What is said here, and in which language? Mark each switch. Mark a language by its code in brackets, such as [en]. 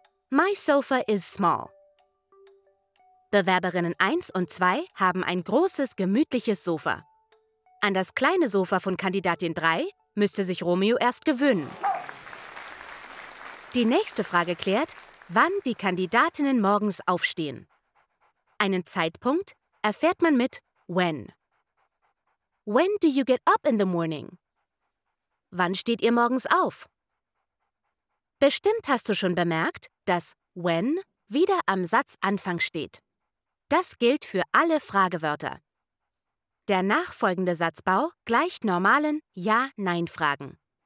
[en] My sofa is small. [de] Bewerberinnen 1 und 2 haben ein großes, gemütliches Sofa. An das kleine Sofa von Kandidatin 3 müsste sich Romeo erst gewöhnen. Die nächste Frage klärt, wann die Kandidatinnen morgens aufstehen. Einen Zeitpunkt erfährt man mit when. [en] When do you get up in the morning? [de] Wann steht ihr morgens auf? Bestimmt hast du schon bemerkt, dass when wieder am Satzanfang steht. Das gilt für alle Fragewörter. Der nachfolgende Satzbau gleicht normalen Ja-Nein-Fragen.